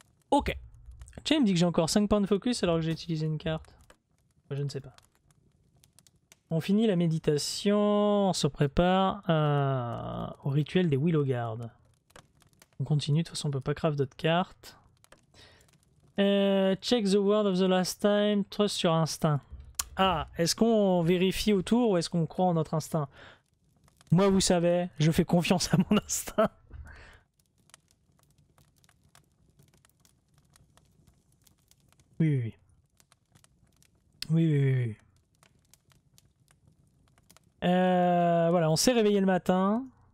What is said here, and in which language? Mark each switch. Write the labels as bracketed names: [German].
[French] Ok. Tiens, il me dit que j'ai encore 5 points de focus alors que j'ai utilisé une carte. Je ne sais pas. On finit la méditation. On se prépare au rituel des Willowgard. On continue, de toute façon on peut pas craft d'autres cartes. [English] Check the word of the last time, trust your instinct. [French] Ah, est-ce qu'on vérifie autour ou est-ce qu'on croit en notre instinct? Moi, vous savez, je fais confiance à mon instinct. Oui. Voilà, on s'est réveillé le matin.